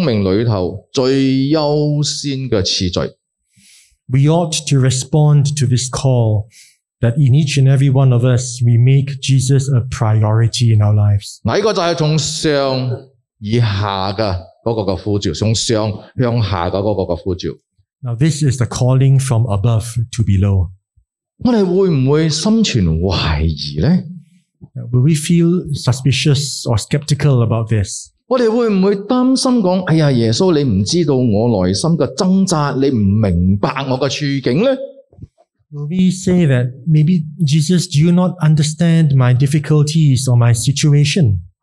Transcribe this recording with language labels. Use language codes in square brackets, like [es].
[zh] 我们应当要听从他的引导，让我们把耶稣成为我们生命里头最优先的次序。 [en] We ought to respond to this call that in each and every one of us, we make Jesus a priority in our lives. [zh] 这个就是从上以下的。 [en] Now this is the calling from above to below. [zh] 我们会不会心存怀疑呢? [en] Will we feel suspicious or skeptical about this? [zh] 我们会不会担心说，哎呀，耶稣，你不知道我内心的挣扎，你不明白我的处境呢? [en] Will we say that maybe Jesus, do you not understand my difficulties or my situation?